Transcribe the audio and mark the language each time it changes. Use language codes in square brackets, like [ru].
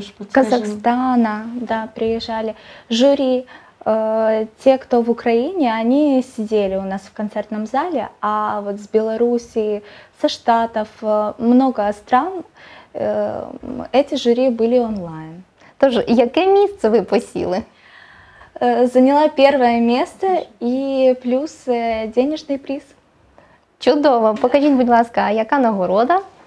[ru] Казахстана, да, приезжали жюри, те, кто в Украине, они сидели у нас в концертном зале, а вот с Белоруссии, со Штатов, много стран, эти жюри были онлайн. [uk] Тоже, яке місце ви посіли? [ru] Заняла 1-е место и плюс денежный приз. [uk] Чудово, покажіть, будь ласка, яка нагорода?